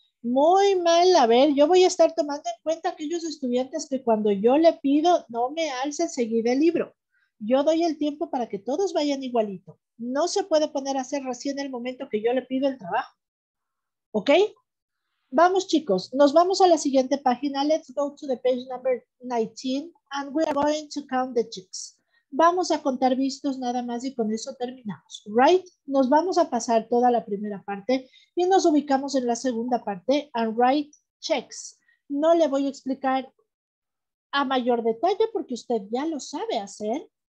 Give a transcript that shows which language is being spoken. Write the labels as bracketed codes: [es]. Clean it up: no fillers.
[es] Muy mal, a ver, yo voy a estar tomando en cuenta aquellos estudiantes que cuando yo le pido no me alce enseguida el libro. Yo doy el tiempo para que todos vayan igualito. No se puede poner a hacer recién el momento que yo le pido el trabajo. ¿Ok? Vamos, chicos. Nos vamos a la siguiente página. [en] Let's go to the page number 19 and we are going to count the chicks. [es] Vamos a contar vistos nada más y con eso terminamos. Right? Nos vamos a pasar toda la primera parte y nos ubicamos en la segunda parte [en] and write checks. [es] No le voy a explicar a mayor detalle porque usted ya lo sabe hacer.